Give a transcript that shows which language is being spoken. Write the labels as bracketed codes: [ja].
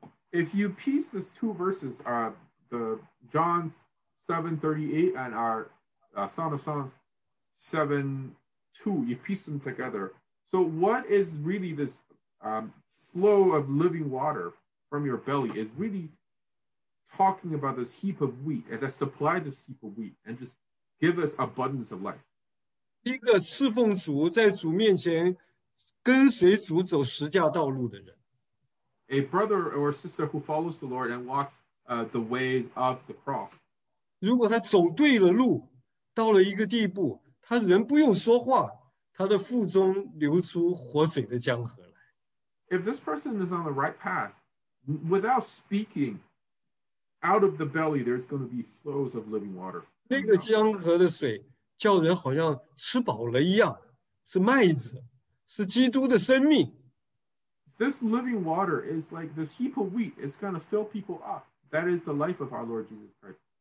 [en] If you piece these two verses, the John 7:38 and our Song of Songs 7:2, you piece them together. So what is really this flow of living water from your belly is really talking about this heap of wheat and that supply this heap of wheat and just give us abundance of life. [zh] 一个侍奉主在主面前 跟随主走十架道路的人， [en] A brother or sister who follows the Lord and walks the ways of the cross. [zh] 如果他走对了路，到了一个地步，他人不用说话，他的腹中流出活水的江河来。 [en] If this person is on the right path, without speaking, out of the belly, there's going to be flows of living water. [zh] 那个江河的水叫人好像吃饱了一样，是麦子，是基督的生命。 [en] This living water is like this heap of wheat. It's going to fill people up. That is the life of our Lord Jesus Christ.